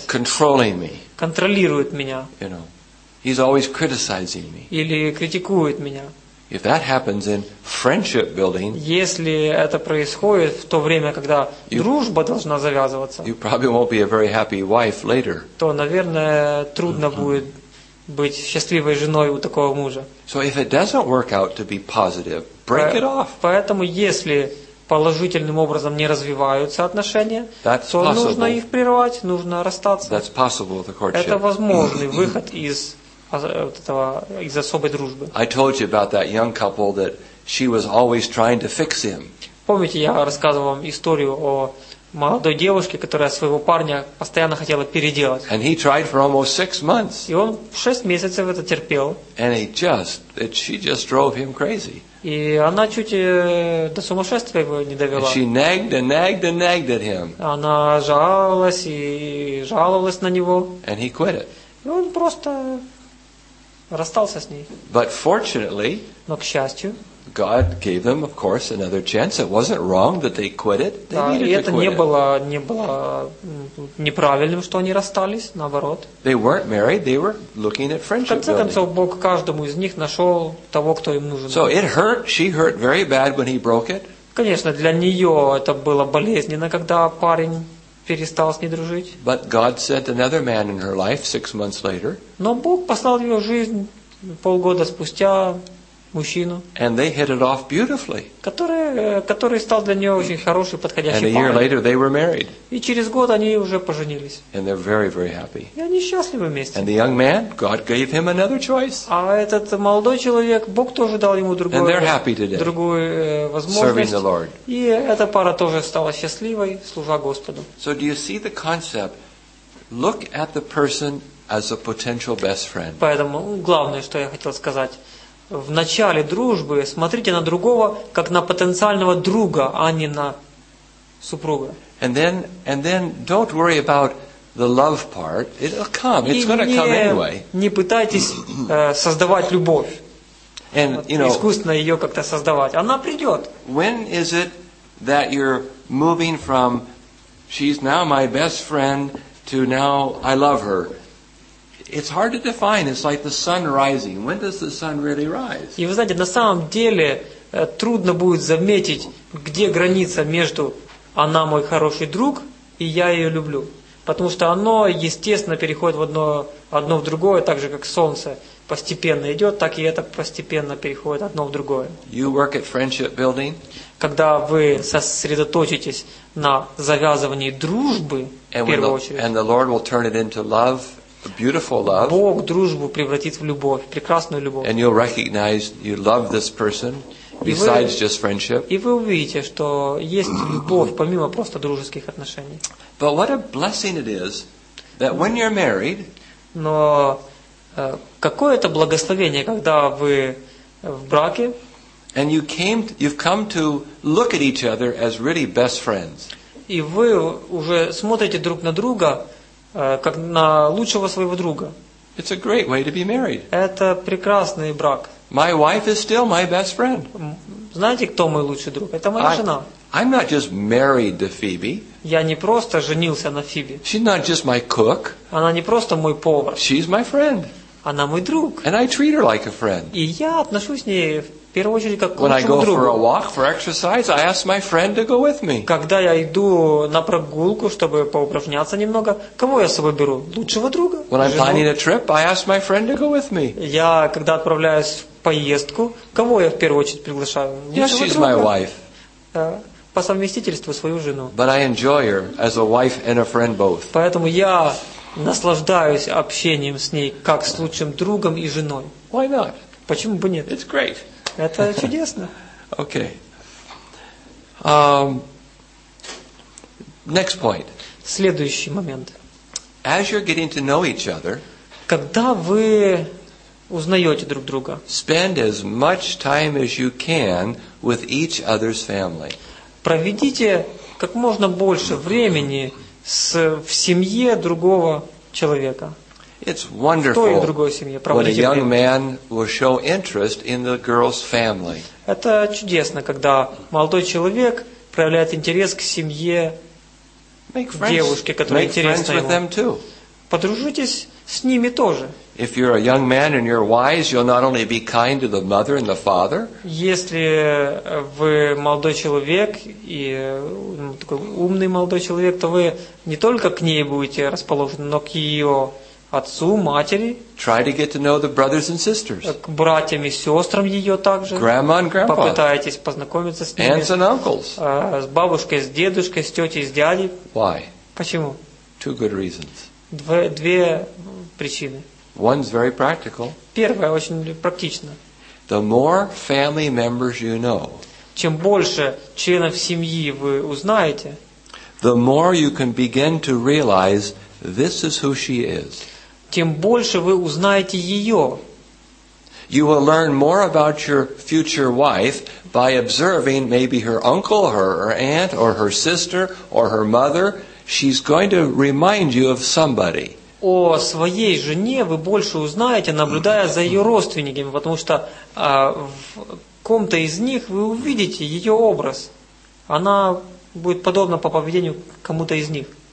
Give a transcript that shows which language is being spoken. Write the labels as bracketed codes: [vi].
[en] Controlling me? [ru] Контролирует меня? [en] You know, he's always criticizing me. [ru] Или критикует меня? [en] If that happens in friendship building, [ru] если это происходит в то время, когда дружба должна завязываться, [en] you probably won't be a very happy wife later. [ru] То, наверное, трудно будет быть счастливой женой у такого мужа. [en] So if it doesn't work out to be positive, break it off. [ru] Поэтому, если положительным образом не развиваются отношения, [en] that's [ru] то [en] possible. [ru] Нужно их прервать, нужно расстаться. [en] That's possible with the courtship. [ru] Это возможный выход из вот этого, из особой дружбы. [en] I told you about that young couple that she was always trying to fix him. [ru] Помните, я рассказывал вам историю о молодой девушке, которая своего парня постоянно хотела переделать. [en] And he tried for almost 6 months. [ru] И он 6 месяцев это терпел. [en] And she just drove him crazy. [ru] И она чуть до сумасшествия его не довела. [en] And she nagged and nagged and nagged at him. [ru] Она жаловалась и жаловалась на него. [en] And he quit it. [ru] И он просто расстался с ней. [en] But fortunately, [ru] но к счастью, [en] God gave them, of course, another chance. It wasn't wrong that they quit it. They [ru] да, [en] needed [ru] и это [en] to quit [ru] не [en] it. [ru] Было не было неправильным, что они расстались, наоборот. [en] They weren't married. They were looking at friendship. [ru] В конце концов, Бог каждому из них нашел того, кто им нужен. [en] So it hurt. She hurt very bad when he broke it. [ru] Конечно, для нее это было болезненно, когда парень перестал с ней дружить. [en] But God sent another man in her life 6 months later. [ru] Но Бог послал в ее жизнь полгода спустя мужчину. [en] And they hit it off beautifully. [ru] Который стал для нее очень хороший, подходящий парень. [en] And a year later they were married. [ru] И через год они уже поженились. [en] And they're very, very happy. [ru] И они счастливы вместе. [en] And the young man, God gave him another choice. [ru] А этот молодой человек, Бог тоже дал ему другую. [en] And they're happy today. [ru] Другую возможность. [en] Serving the Lord. [ru] И эта пара тоже стала счастливой, служа Господу. [en] So do you see the concept? Look at the person as a potential best friend. [ru] Поэтому главное, что я хотел сказать. В начале дружбы смотрите на другого как на потенциального друга, а не на супруга. [en] And then don't worry about the love part. It'll come. It's going to come anyway. [ru] Не пытайтесь создавать любовь. [en] And you know, [ru] искусственно ее как-то создавать. Она придет. [en] When is it that you're moving from she's now my best friend to now I love her? It's hard to define. It's like the sun rising. When does the sun really rise? [ru] И вы знаете, на самом деле трудно будет заметить, где граница между она мой хороший друг и я ее люблю, потому что оно естественно переходит в одно в другое, так же как солнце постепенно идет, так и это постепенно переходит одно в другое. [en] You work at friendship building. [ru] Когда вы сосредоточитесь на завязывании дружбы, в первую очередь, [en] and the Lord will turn it into love, a beautiful love. [ru] Бог дружбу превратит в любовь, прекрасную любовь. [en] And you'll recognize you love this person besides just friendship. [ru] И вы увидите, что есть любовь помимо просто дружеских отношений. [en] But what a blessing it is that when you're married. [ru] Но какое это благословение, когда вы в браке? [en] And you've come to look at each other as really best friends. [ru] И вы уже смотрите друг на друга как на лучшего своего друга. [en] It's a great way to be married. [ru] Это прекрасный брак. [en] My wife is still my best friend. [ru] Знаете, кто мой лучший друг? Это моя жена. [en] I'm not just married to Phoebe. [ru] Я не просто женился на Фиби. [en] She's not just my cook. [ru] Она не просто мой повар. [en] She's my friend. [ru] Она мой друг. [en] And I treat her like a friend. [ru] И я отношусь с ней в первую очередь как к [en] When [ru] лучшему другу. [en] When I go for a walk, for exercise, I ask my friend to go with me. [ru] Когда я иду на прогулку, чтобы поупражняться немного, кого я с собой беру? Лучшего друга. [en] When I'm planning a trip, I ask my friend to go with me. [ru] Я когда отправляюсь в поездку, кого я в первую очередь приглашаю? Лучшего [en] yes, she's [ru] друга. [en] My wife. [ru] По совместительству свою жену. [en] But I enjoy her as a wife and a friend both. [ru] Поэтому я наслаждаюсь общением с ней как с лучшим другом и женой. [en] Why not? [ru] Почему бы нет? [en] It's great. [ru] Это чудесно. [en] Okay. Next point. [ru] Следующий момент. [en] As you're getting to know each other, [ru] когда вы узнаете друг друга, [en] spend as much time as you can with each other's family. [ru] Проведите как можно больше времени в семье другого человека. [en] It's wonderful. [ru] В той и другой семье. [en] When a young man will show interest in the girl's family. [ru] Это чудесно, когда молодой человек проявляет интерес к семье девушки, которая интересна ему. Подружитесь с ними тоже. [en] If you're a young man and you're wise, you'll not only be kind to the mother and the father. [ru] Если вы молодой человек и такой умный молодой человек, то вы не только к ней будете расположены, но к ее отцу, матери. [en] Try to get to know the brothers and sisters. [ru] К братьям и сестрам ее также. [en] Grandma and grandpa. [ru] Попытайтесь познакомиться с ними. [en] Aunts and uncles. [ru] С бабушкой, с дедушкой, с тетей, с дядей. [en] Why? [ru] Почему? [en] Two good reasons. [ru] Две причины. [en] One's very practical. [ru] Первое очень практично. [en] The more family members you know, [ru] чем больше членов семьи вы узнаете, [en] the more you can begin to realize this is who she is. [ru] Тем больше вы узнаете ее. [en] You will learn more about your future wife by observing maybe her uncle, her aunt, or her sister, or her mother. She's going to remind you of somebody. [ru] О своей жене вы больше узнаете, наблюдая за ее родственниками, потому что в ком-то из них вы увидите ее образ. Она будет подобна по поведению кому-то из них.